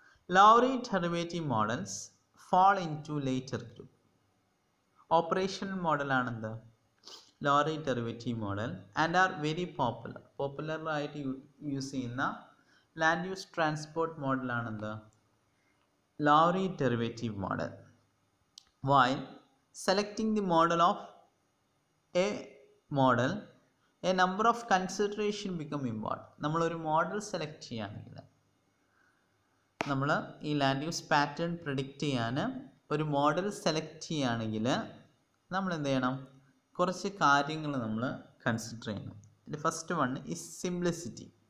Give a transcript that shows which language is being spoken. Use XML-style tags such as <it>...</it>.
<en>Lorry derivative models fall into later group. Operational മോഡലാണെന്ത്, lorry derivative model, and are very popular.</en> <ml>പോപ്പുലറായിട്ട് use ചെയ്യുന്ന land use transport മോഡലാണെന്ത്, lorry derivative model.</ml> <en>While selecting the model of a model, a number of consideration become involved.</en> <ml>നമ്മൾ ഒരു model select ചെയ്യുകയാണെങ്കിൽ നമ്മൾ ഈ land use pattern predict ചെയ്യാൻ ഒരു model select ചെയ്യുകയാണെങ്കിൽ നമ്മൾ എന്ത് ചെയ്യണം? കുറച്ച് കാര്യങ്ങൾ നമ്മൾ കൺസിഡർ ചെയ്യണം. ഇതിൻ്റെ</ml> <en>First one is simplicity.</en>